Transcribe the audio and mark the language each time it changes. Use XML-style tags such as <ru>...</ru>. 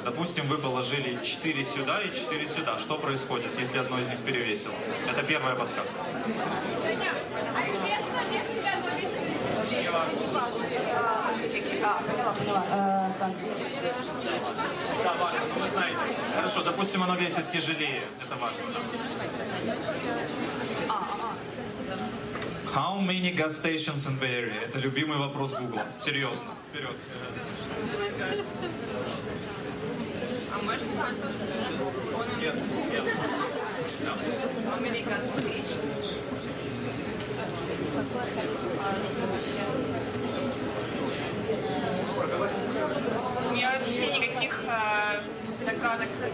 <ru>Допустим, вы положили 4 сюда и 4 сюда. Что происходит, если одно из них перевесило? Это первая подсказка. Да, важно, вы знаете. Хорошо, допустим, оно весит тяжелее. Это важно.</ru> <en>How many gas stations in the area?</en> <ru>Это любимый вопрос Google. Серьезно. Вперед. А можно? Нет.</ru> <en>How many gas stations?</en> <ru>У меня вообще никаких догадок.</ru>